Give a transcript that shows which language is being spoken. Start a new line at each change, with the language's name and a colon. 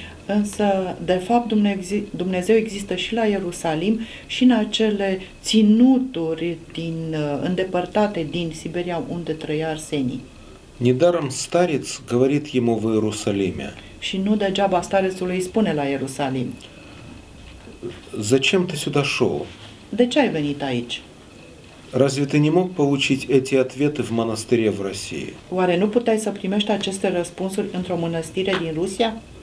Romanian: Însă, de fapt, Dumnezeu există și la Ierusalim și în acele ținuturi din, îndepărtate din Siberia, unde trăia Arsenii.
Russian: Недаром старец говорит ему в Иерусалиме.
Romanian: Și nu degeaba starețul îi spune la Ierusalim.
Russian: Зачем ты сюда шел?
Romanian: De ce ai venit aici?
Russian: Разве ты не мог получить эти ответы в монастыре в России?
Romanian: Oare nu puteai să primești aceste răspunsuri într-o mănăstire din Rusia?